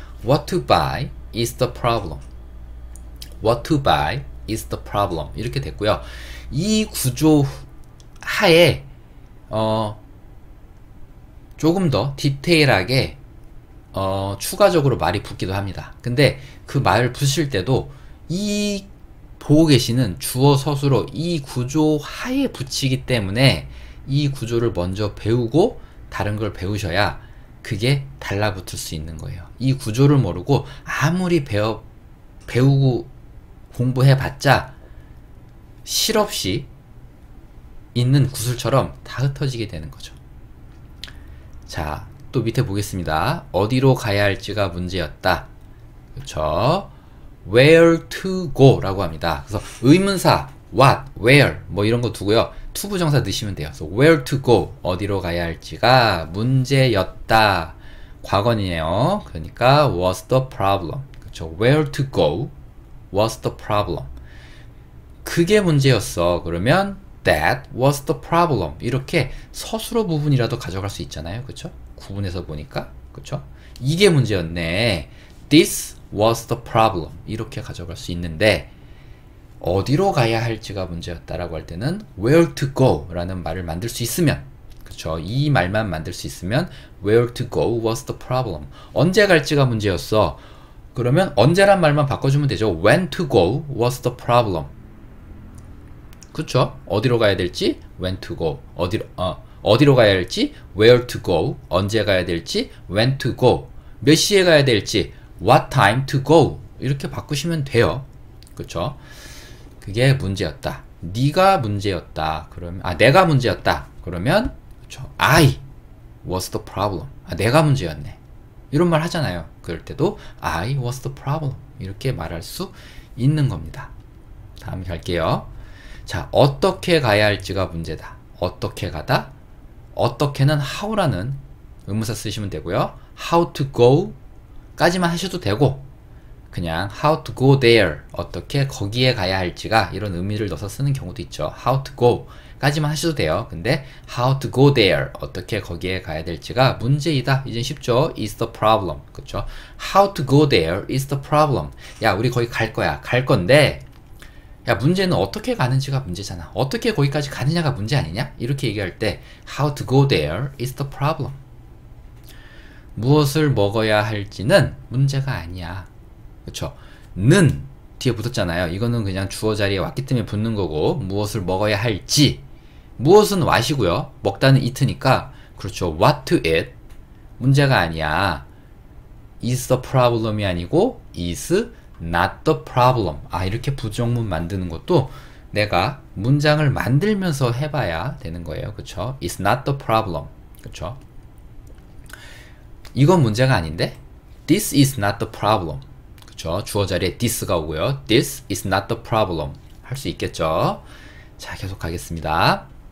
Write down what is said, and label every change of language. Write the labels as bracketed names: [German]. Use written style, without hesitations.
[English] what to buy is the problem what to buy is the problem [Korean] 이렇게 됐고요. 이 구조 하에 조금 더 디테일하게 추가적으로 말이 붙기도 합니다. 근데 그 말을 붙일 때도 이 보고 계시는 주어 서술어 이 구조 하에 붙이기 때문에 이 구조를 먼저 배우고 다른 걸 배우셔야 그게 달라붙을 수 있는 거예요. 이 구조를 모르고 아무리 배우고 공부해봤자 실없이 있는 구슬처럼 다 흩어지게 되는 거죠. 자, 또 밑에 보겠습니다. 어디로 가야 할지가 문제였다. 그렇죠? [English] Where to go [Korean] 라고 합니다. 그래서 의문사, what, where 뭐 이런 거 두고요. to 부정사 넣으시면 돼요. [English] So where to go, [Korean] 어디로 가야 할지가 문제였다. 과거니에요. 그러니까 [English] was the problem. [Korean] 그렇죠. [English] Where to go was the problem. [Korean] 그게 문제였어. 그러면 [English] that was the problem. [Korean] 이렇게 서술어 부분이라도 가져갈 수 있잖아요. 그렇죠? 구분해서 보니까. 그렇죠? 이게 문제였네. [English] This was the problem. [Korean] 이렇게 가져갈 수 있는데 어디로 가야 할지가 문제였다라고 할 때는 [English] where to go [Korean] 라는 말을 만들 수 있으면, 그렇죠? 이 말만 만들 수 있으면 [English] where to go was the problem. [Korean] 언제 갈지가 문제였어. 그러면 언제란 말만 바꿔주면 되죠. [English] When to go was the problem. [Korean] 그렇죠? 어디로 가야 될지 [English] when to go, [Korean] 어디로 가야 할지 [English] where to go, [Korean] 언제 가야 될지 when to go, 몇 시에 가야 될지 [English] what time to go, [Korean] 이렇게 바꾸시면 돼요. 그렇죠? 그게 문제였다. 네가 문제였다. 그러면 내가 문제였다. 그러면 그렇죠? [English] I was the problem. [Korean] 내가 문제였네. 이런 말 하잖아요. 그럴 때도 [English] I was the problem [Korean] 이렇게 말할 수 있는 겁니다. 다음 갈게요. 자, 어떻게 가야 할지가 문제다. 어떻게 가다? 어떻게는 how라는 의문사 쓰시면 되고요. [English] how to go [Korean] 까지만 하셔도 되고 그냥 [English] how to go there, [Korean] 어떻게 거기에 가야 할지가 이런 의미를 넣어서 쓰는 경우도 있죠. [English] how to go [Korean] 까지만 하셔도 돼요. 근데 [English] how to go there, [Korean] 어떻게 거기에 가야 될지가 문제이다. 이젠 쉽죠. [English] is the problem. [Korean] 그렇죠? [English] how to go there is the problem. [Korean] 야, 우리 거기 갈 거야. 갈 건데 야, 문제는 어떻게 가는지가 문제잖아. 어떻게 거기까지 가느냐가 문제 아니냐? 이렇게 얘기할 때 [English] how to go there is the problem. [Korean] 무엇을 먹어야 할지는 문제가 아니야. 그렇죠? 는 뒤에 붙었잖아요. 이거는 그냥 주어 자리에 왔기 때문에 붙는 거고, 무엇을 먹어야 할지, 무엇은 what이고요. 먹다는 eat니까 그렇죠. [English] what to eat [Korean] 문제가 아니야. [English] is the problem이 아니고 is not the problem. [Korean] 아, 이렇게 부정문 만드는 것도 내가 문장을 만들면서 해봐야 되는 거예요. 그렇죠? [English] It's not the problem. [Korean] 그렇죠? 이건 문제가 아닌데? [English] This is not the problem. 그렇죠? [Korean] 주어 자리에 this가 오고요. [English] This is not the problem. [Korean] 할 수 있겠죠? 자, 계속 가겠습니다.